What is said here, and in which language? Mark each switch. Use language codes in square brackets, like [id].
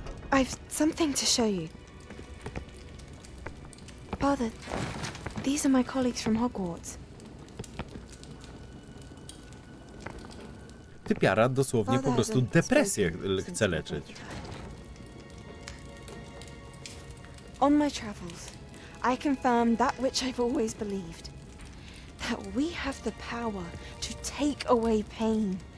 [en] I've something to show you. Father, these are my colleagues from Hogwarts. [pl] Typiara dosłownie po prostu depresję chce leczyć. [en] On my travels, I confirm that which I've always believed. That we have the power to take away pain.